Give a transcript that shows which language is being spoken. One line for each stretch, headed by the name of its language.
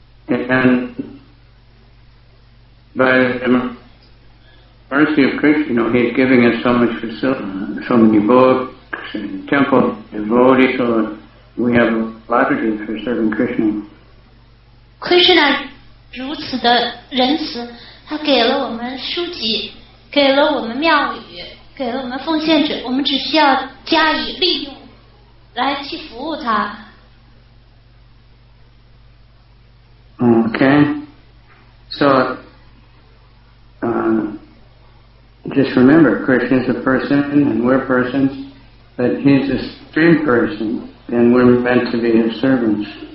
English: And by the mercy of Krishna, you know, he's giving us so much facility, so many books and temple devotees, so we have latitude for serving Krishna.
Chinese: Krishna 如此的仁慈，他给了我们书籍，给了我们庙宇，给了我们奉献者，我们只需要加以利用来去服务他。
English: Okay, so just remember, Krishna is a person and we're persons, but he's a supreme person and we're meant to be his servants.